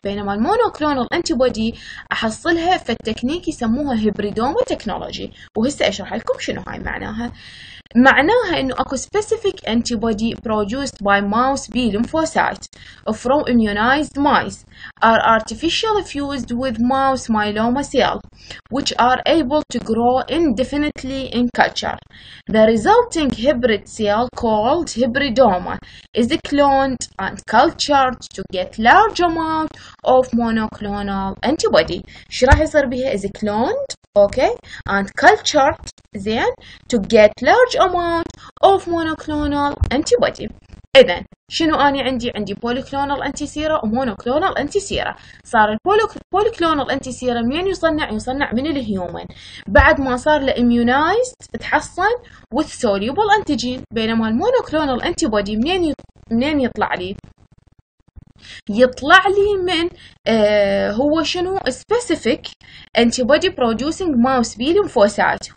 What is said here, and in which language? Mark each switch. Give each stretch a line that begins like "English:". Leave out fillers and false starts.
Arabic: بينما المونوكلونال انتي بودي احصلها في التكنيك يسموها هيبريدوما تكنولوجي، وهسه اشرح لكم شنو هاي معناها. معناها انه اكو
English: Specific antibody produced by mouse B lymphocyte from immunized mice or artificial fused with mouse myeloma cell which are able to grow indefinitely in culture. The resulting hybrid cell called hybridoma is cloned and cultured to get large amount of monoclonal antibody.
Arabic: شراح يصير بها
English: is cloned okay and cultured then to get large amount of monoclonal antibody.
Arabic: إذن شنو أنا عندي؟ عندي بوليكلونال أنتي سيرا ومونوكلونال أنتي سيرا. صار البوليكلونال أنتي سيرا منين يصنع؟ يصنع من الهيومن بعد ما صار لإميونايزد تحصن
English: with soluble antigen.
Arabic: بينما المونوكلونال أنتي بودي منين يطلع لي؟ يطلع لي من هو شنو
English: specific antibody producing mouse B lymphocyte.